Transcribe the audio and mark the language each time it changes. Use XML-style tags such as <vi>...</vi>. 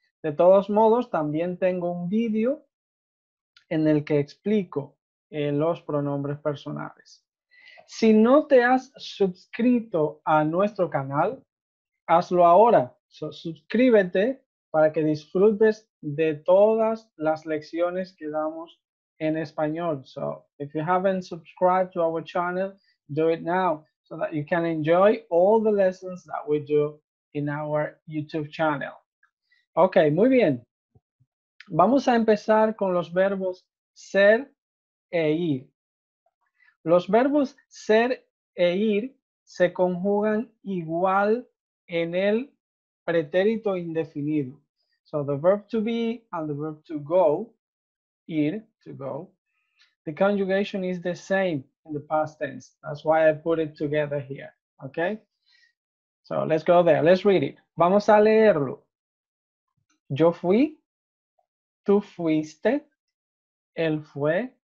<es>De todos modos, también tengo un vídeo en el que explico los pronombres personales. Si no te has suscrito a nuestro canal, hazlo ahora. Suscríbete para que disfrutes de todas las lecciones que damos en español.</es> <en>So, if you haven't subscribed to our channel, do it now, so that you can enjoy all the lessons that we do in our YouTube channel.</en> <es>Ok, muy bien. Vamos a empezar con los verbos ser e ir. Los verbos ser e ir se conjugan igual en el pretérito indefinido.</es> <en>So the verb to be and the verb to go, ir, to go, the conjugation is the same in the past tense. That's why I put it together here. Okay? So let's go there. Let's read it.</en> <es>Vamos a leerlo. Yo fui. Tú fuiste. Él fue.</es>